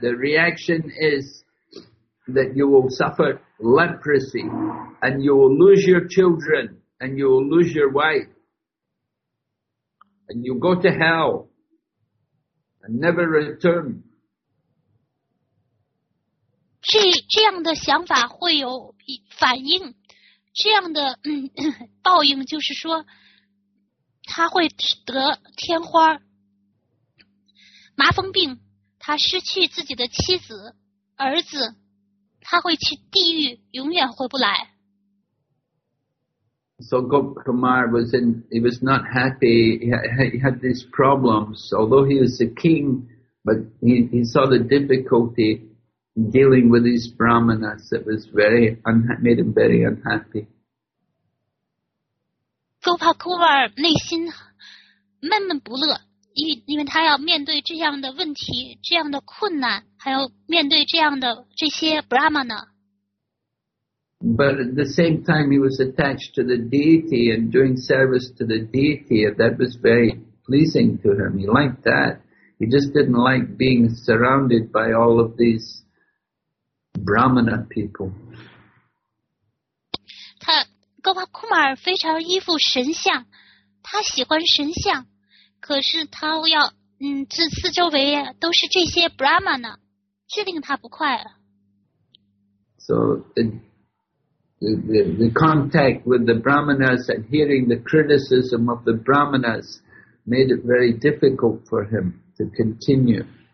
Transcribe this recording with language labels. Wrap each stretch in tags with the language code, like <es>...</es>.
<en>The reaction is that you will suffer leprosy, and you will lose your children, and you will lose your wife, and you go to hell, and never return.</en> <zh>这样的想法会有反应，这样的报应就是说他会得天花麻风病，他失去自己的妻子儿子，他会去地狱，永远回不来。</zh> <en>So Gop Kumar he was not happy. He had these problems, although he was a king, but he saw the difficultydealing with these brahmanas, it was very made him very unhappy.</en> <zh>Gopal Kumar 内心闷闷不乐，因为他要面对这样的问题，这样的困难，还要面对这些 brahmana.</zh> <en>But at the same time, he was attached to the deity and doing service to the deity, and that was very pleasing to him. He liked that. He just didn't like being surrounded by all of these. Brahmana people. Gop</en> <zh>巴库马尔非常依附神像，他喜欢神像，可是他要这四周围都是这些 Brahmana， 这令他不快了。</zh> <en>So the contact with the Brahmanas and hearing the criticism of the Brahmanas made it very difficult for him to continue.</en>